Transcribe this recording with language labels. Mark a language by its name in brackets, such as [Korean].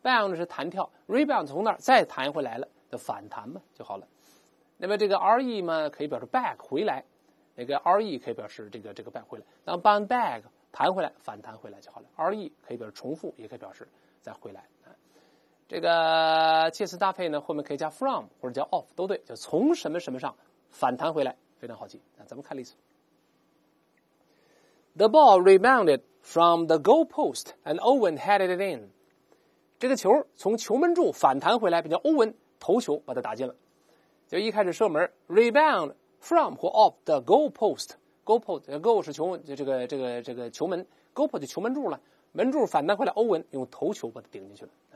[Chinese] bound 是弹跳， rebound 从那儿再弹回来了，就反弹嘛就好了。那么这个 re 嘛可以表示 back 回来，那个 re 可以表示这个 back 回来，然后 bound back 弹回来反弹回来就好了， re 可以表示重复，也可以表示再回来。这个介词搭配呢，后面可以加 from 或者加 off 都对，就从什么什么上反弹回来，非常好记。那咱们看例子。 [English] The ball rebounded from the goal post and Owen headed it in. [Chinese] 这个球从球门柱反弹回来，并且欧文投球把它打进了。就一开始射门 rebound from 或 off the goal post. Goal post, goal 是球这个球门， goal post 就球门柱了，门柱反弹回来，欧文用投球把它顶进去了。